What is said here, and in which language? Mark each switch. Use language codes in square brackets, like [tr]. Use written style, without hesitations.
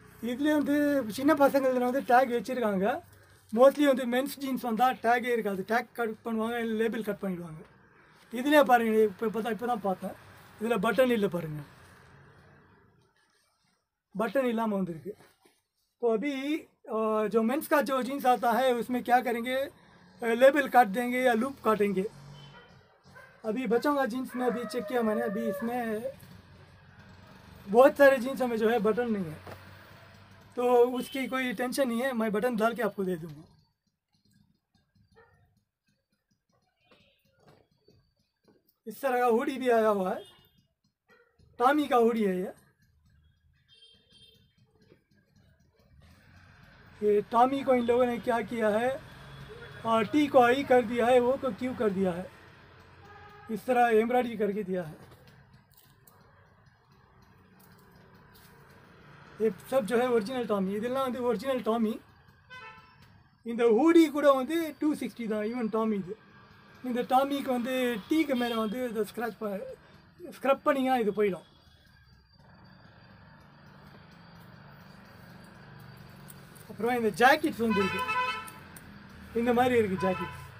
[ta] இதில் வந்து சின்ன பசங்களில் வந்து டேக் வச்சுருக்காங்க. மோஸ்ட்லி வந்து மென்ஸ் ஜீன்ஸ் வந்தால் டேகே இருக்காது, டேக் கட் பண்ணுவாங்க இல்லை லேபிள் கட் பண்ணிவிடுவாங்க. இதிலே பாருங்கள், இப்போ தான் பார்த்தேன். இதில் பட்டன் இல்லை பாருங்கள், பட்டன் இல்லாமல் வந்துருக்கு. இப்போ [hi] அபி जो मेंस का जो जीन्स आता है उसमें क्या करेंगे, लेबल काट देंगे या लूप काटेंगे. अभी बच्चों का जीन्स में अभी चेक किया मैंने, अभी इसमें बहुत सारे जीन्स में जो है बटन नहीं है. तो उसकी कोई टेंशन नहीं है, मैं बटन डाल के आपको दे दूँगा. इस तरह का हुडी भी आया हुआ है, टॉमी का हुडी है ये. ये टॉमी को इन लोगों ने क्या किया है और टी को आई कर दिया है, वो को क्यू कर दिया है, इस तरह एम्ब्रॉयडरी करके दिया है। ये सब जो है ओरिजिनल टॉमी, इधरलाम வந்து ओरिजिनल टॉमी। [ta] இந்த ஹூடி கூட வந்து 260 தான், ஈவன் டாமி இது. இந்த டாமிக்கு வந்து டீக்கு மேலே வந்து இந்த ஸ்க்ராச் ஸ்க்ரப் பண்ணிங்க இது போயிடும். அப்புறம் இந்த ஜாக்கெட்ஸ் வந்து இருக்கு, இந்த மாதிரி இருக்கு ஜாக்கெட்ஸ்.